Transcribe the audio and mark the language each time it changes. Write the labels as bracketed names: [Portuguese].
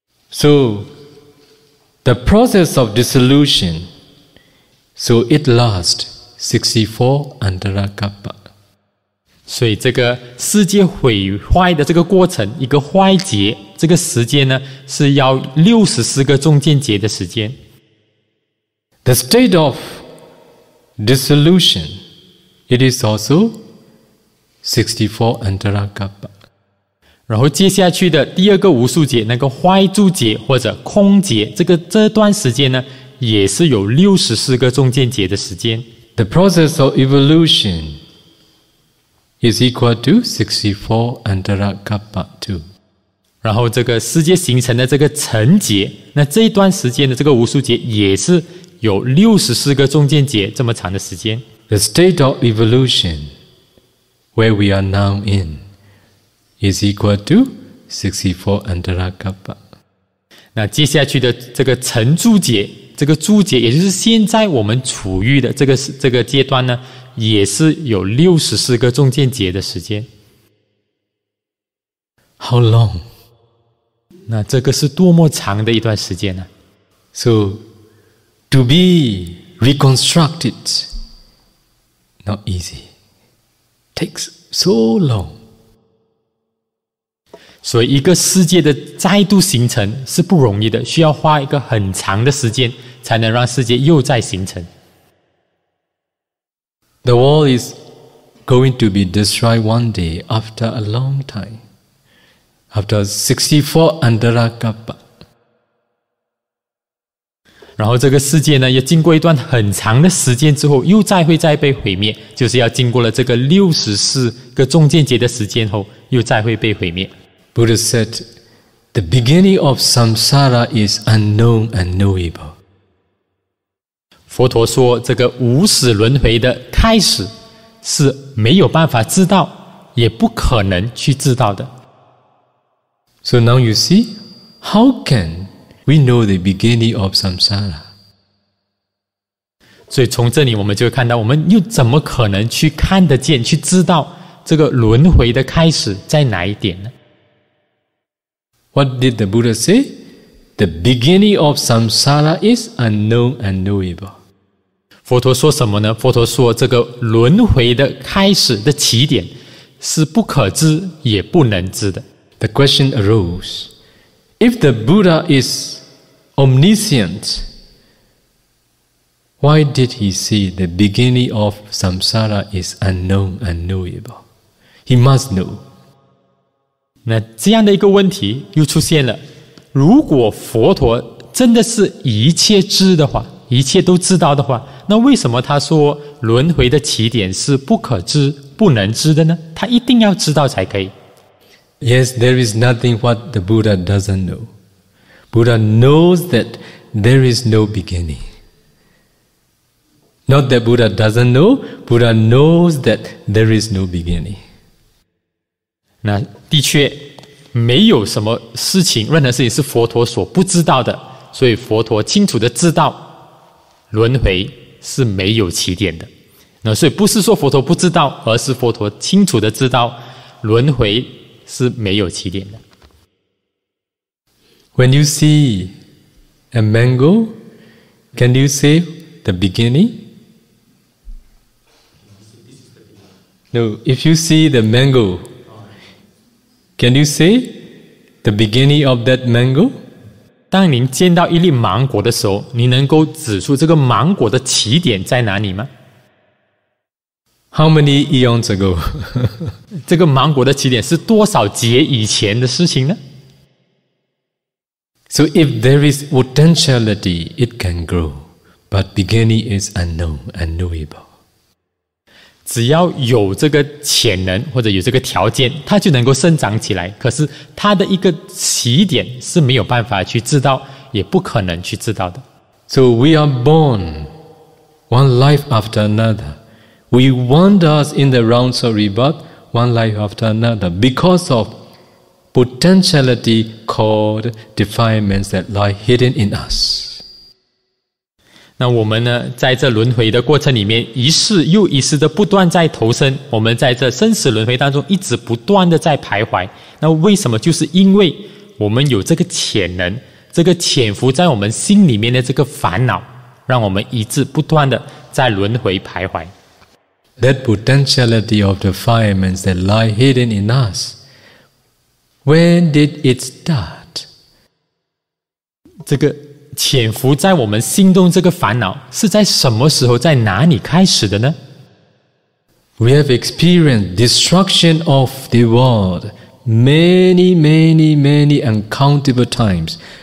[English] So, the process of dissolution So it lasts 64 antarakappa. [Chinese] 所以这个世界毁坏的这个过程，一个坏劫，这个时间呢，是要64个中间劫的时间。 [English] The state of dissolution, it is also 64 antarakappa. [Chinese] 然后接下去的第二个无数劫，那个坏住劫或者空劫，这段时间呢，也是有64个中间劫的时间。 [English] The process of evolution is equal to 64 antarakappa too. [Chinese] 然后这个世界形成的这个成劫，那这一段时间的这个无数劫也是有64个中间劫这么长的时间。 [English] The state of evolution where we are now in is equal to 64 antarakappa. [Chinese] 那接下去的这个成住劫，这个住劫也就是现在我们处于的这个阶段呢，也是有64个中间劫的时间。 [English] How long? [Chinese] 那这个是多么长的一段时间呢？ [English] So to be reconstructed not easy, takes so long. [Chinese] 所以一个世界的再度形成是不容易的，需要花一个很长的时间才能让世界又再形成。 [English] The world is going to be destroyed one day after a long time, after 64 antarakappa. [Chinese] 然后这个世界呢，也经过一段很长的时间之后，又再会再被毁灭，就是要经过了这个64个中间劫的时间后，又再会被毁灭。 [English] Buddha said, "The beginning of samsara is unknown and knowable." [Chinese] 佛陀说，这个无始轮回的开始是没有办法知道，也不可能去知道的。 [English] So now you see, how can we know the beginning of samsara? [Chinese] 所以从这里我们就看到，我们又怎么可能去看得见，去知道这个轮回的开始在哪一点呢？ [English] What did the Buddha say? The beginning of samsara is unknown and knowable. [Chinese] 佛陀说什么呢？佛陀说，这个轮回的开始的起点是不可知也不能知的。 [English] The question arose, if the Buddha is omniscient, why did he say the beginning of samsara is unknown and knowable? He must know. [Chinese] 那这样的一个问题又出现了，如果佛陀真的是一切知的话，一切都知道的话，那为什么他说轮回的起点是不可知、不能知的呢？他一定要知道才可以。 [English] Yes, there is nothing what the Buddha doesn't know. Buddha knows that there is no beginning. Not that Buddha doesn't know, Buddha knows that there is no beginning. [Chinese] 那的确，没有什么事情，任何事情是佛陀所不知道的，所以佛陀清楚地知道轮回是没有起点的。那所以不是说佛陀不知道，而是佛陀清楚地知道轮回是没有起点的。 [English] When you see a mango, can you say the beginning? No, if you see the mango, can you say the beginning of that mango? [Chinese] 当您见到一粒芒果的时候，你能够指出这个芒果的起点在哪里吗？ [English] How many eons ago? [Chinese] 这个芒果的起点是多少劫以前的事情呢？ [English] So if there is potentiality, it can grow, but beginning is unknown, unknowable. [Chinese] 只要有这个潜能或者有这个条件，它就能够生长起来，可是它的一个起点是没有办法去知道，也不可能去知道的。 [English] So we are born one life after another. We wander in the realms of rebirth one life after another because of potentiality called defilements that lie hidden in us. [Chinese] 那我们呢，在这轮回的过程里面，一世又一世的不断在投生，我们在这生死轮回当中一直不断的在徘徊。那为什么？就是因为我们有这个潜能，这个潜伏在我们心里面的这个烦恼，让我们一直不断的在轮回徘徊。 [English] That potentiality of the five elements that lie hidden in us, when did it start? [Chinese] 这个潜伏在我们心中这个烦恼是在什么时候在哪里开始的呢？ [English] We have experienced destruction of the world many, many, many uncountable times.